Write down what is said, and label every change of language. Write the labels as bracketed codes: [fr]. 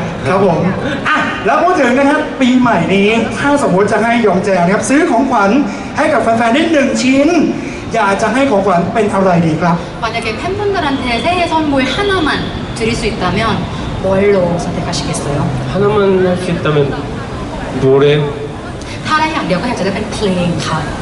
[th] ครับผมแล้วพูดถึงนะครับปีใหม่นี้ถ้าสมมติจะให้ยองแจนะครับซื้อของขวัญให้กับแฟนๆนิดหนึ่งชิ้นอยากจะให้ของขวัญเป็นอะไรดีครับ วันนี้แฟนๆท่านใดแท้ๆ [ko] 선물하나만드릴수있다면뭘로선택하시겠어요 하나만할수있다면노래 [th] ถ้าได้อย่างเดียวก็อยากจะได้เป็นเพลงค่ะ